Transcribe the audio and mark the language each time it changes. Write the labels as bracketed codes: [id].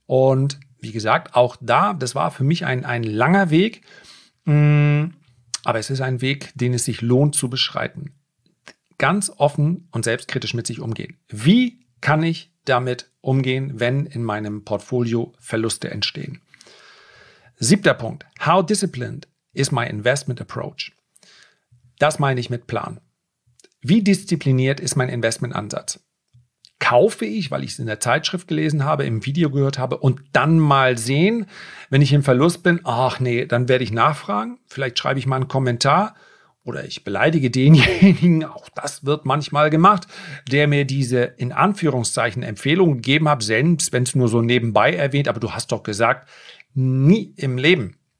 [de] Und wie gesagt, auch da, das war für mich ein langer Weg, aber es ist ein Weg, den es sich lohnt zu beschreiten. Ganz offen und selbstkritisch mit sich umgehen. Wie kann ich damit umgehen, wenn in meinem Portfolio Verluste entstehen? 7. Punkt. [en] How disciplined is my investment approach? [de] Das meine ich mit Plan. Wie diszipliniert ist mein Investmentansatz? Kaufe ich, weil ich es in der Zeitschrift gelesen habe, im Video gehört habe und dann mal sehen, wenn ich im Verlust bin, ach nee, dann werde ich nachfragen. Vielleicht schreibe ich mal einen Kommentar oder ich beleidige denjenigen, auch das wird manchmal gemacht, der mir diese in Anführungszeichen Empfehlung gegeben hat, selbst wenn es nur so nebenbei erwähnt, aber du hast doch gesagt, nie im Leben.